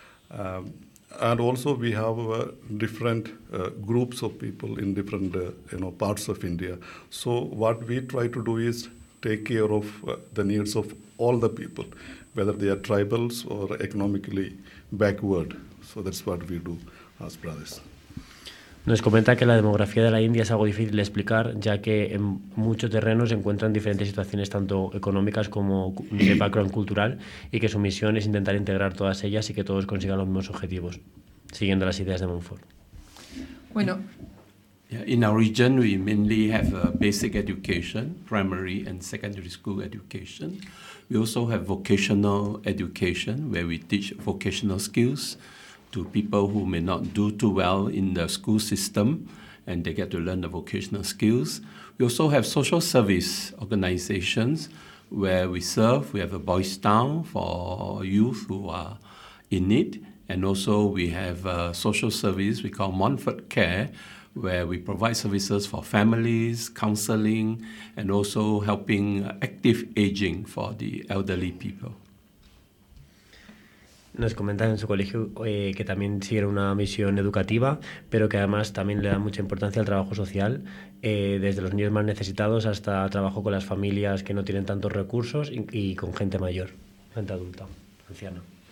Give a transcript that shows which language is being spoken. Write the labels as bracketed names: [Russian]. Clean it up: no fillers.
[English] And also we have different groups of people in different parts of India. So what we try to do is take care of the needs of all the people, whether they are tribals or economically backward. So that's what we do as brothers. [Spanish] Nos comenta que la demografía de la India es algo difícil de explicar, ya que en muchos terrenos se encuentran diferentes situaciones, tanto económicas como de background cultural, y que su misión es intentar integrar todas ellas y que todos consigan los mismos objetivos, siguiendo las ideas de Montfort. Bueno. [English] In our region, we mainly have a basic education, primary and secondary school education. We also have vocational education, where we teach vocational skills to people who may not do too well in the school system, and they get to learn the vocational skills. We also have social service organizations where we serve. We have a Boys Town for youth who are in need, and also we have a social service we call Montfort Care, where we provide services for families, counseling, and also helping active aging for the elderly people. [Spanish] Nos comentan en su colegio que también sigue una misión educativa, pero que además también le da mucha importancia al trabajo social, desde los niños más necesitados hasta trabajo con las familias que no tienen tantos recursos y con gente mayor, gente adulta, anciana.